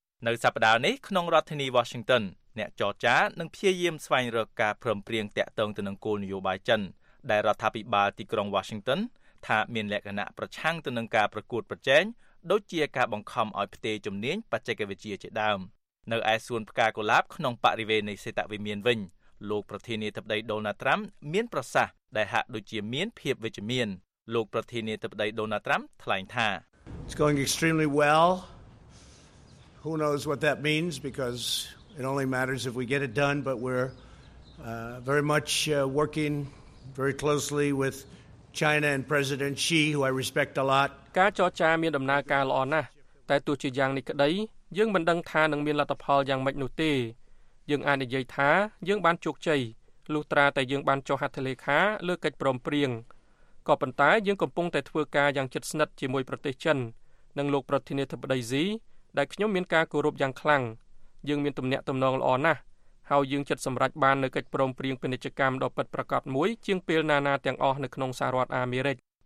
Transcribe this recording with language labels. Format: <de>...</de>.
<km>នៅសប្តាហ៍នេះក្នុងរដ្ឋធានី Washington អ្នកចរចានឹងព្យាយាមស្វែងរកការព្រមព្រៀងតាក់ទងទៅនឹងគោលនយោបាយចិនដែលរដ្ឋាភិបាលទីក្រុង Washington ថាមានលក្ខណៈប្រឆាំងទៅនឹងការប្រកួតប្រជែងដូចជាការបង្ខំឲ្យផ្ទេរជំនាញបច្ចេកវិទ្យាជាដើមនៅឯសួនផ្កាកូឡាបក្នុងបរិវេណនៃសេតវិមានវិញលោកប្រធានាធិបតីដូណាល់ត្រាំមានប្រសាសន៍ដែលហាក់ដូចជាមានភាពវិជ្ជមានលោកប្រធានាធិបតីដូណាល់ត្រាំថ្លែងថា</km> <en>It's going extremely well. Who knows what that means because it only matters if we get it done but we're very much working very closely withChina and President Xi who I respect a lot</en> <km>ការចរចាមានដំណើរការល្អណាស់តែទោះជាយ៉ាងនេះក្តីយើងមិនដឹងថានឹងមានលទ្ធផលយ៉ាងម៉េចនោះទេយើងអាចនិយាយថាយើងបានជោគជ័យលុះត្រាតែយើងបានចុះហត្ថលេខាលើកិច្ចព្រមព្រៀងក៏ប៉ុន្តែយើងកំពុងតែធ្វើការយ៉ាងជិតស្និទ្ធជាមួយប្រទេសចិននិងលោកប្រធានាធិបតី Xi ដែលខ្ញុំមានការគោរពយ៉ាងខ្លាំងយើងមានទំនាក់ទំនងល្អណាស់ហើយយើងចិត្តសម្រេចបាននៅកិច្ចព្រមព្រៀងពាណិជ្ជកម្មដ៏ពិតប្រាកដមួយជាងពេលណានាទាំងអស់នៅក្នុងសហរដ្ឋអាមេរិក</km>